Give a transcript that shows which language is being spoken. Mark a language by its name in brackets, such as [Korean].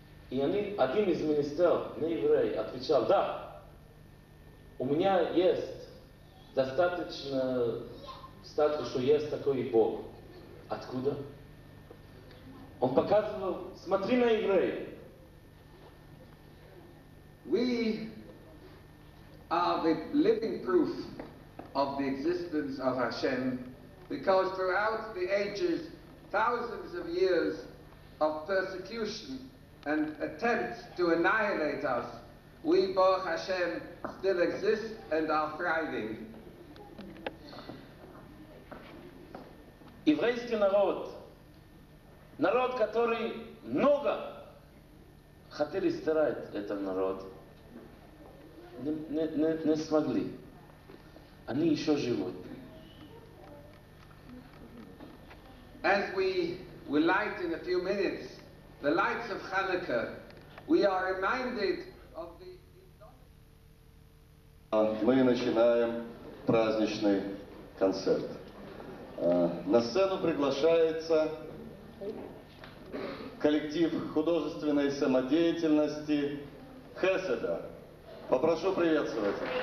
[Russian] И они, один из министров, не еврей, отвечал, да, у меня есть достаточно статус, что есть такой Бог. Откуда? Он показывал, смотри на евреев. [English] We are the living proof of the existence of Hashem, because throughout the ages, thousands of years of persecution and attempts to annihilate us, we, [Hebrew] Baruch Hashem, [English] still exist and are thriving. [Russian] Еврейский народ. Народ, который много хотели стирать этот народ, не смогли. Они еще живут. [English] As we will light in a few minutes, the lights of Chanukah, we are reminded of the... [Russian] Мы начинаем праздничный концерт. На сцену приглашается коллектив художественной самодеятельности Хеседа. Попрошу приветствовать.